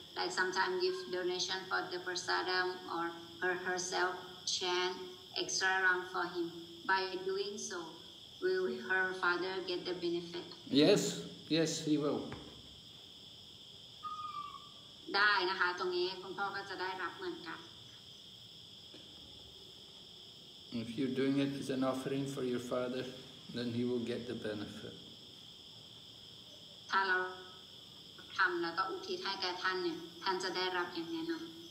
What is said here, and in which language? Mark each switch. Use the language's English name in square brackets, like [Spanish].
[English] Like sometimes give donation for the prasadam or her herself chant extra round for him. By doing so, will her father get the benefit? Yes, yes, he will. [Thai] ได้นะคะตรงนี้คุณพ่อก็จะได้รับเหมือนกัน [English] If you're doing it as an offering for your father, then he will get the benefit. [Thai] ถ้าเราทำแล้วก็อุทิศให้กับท่านเนี่ยท่านจะได้รับอย่างแน่นอน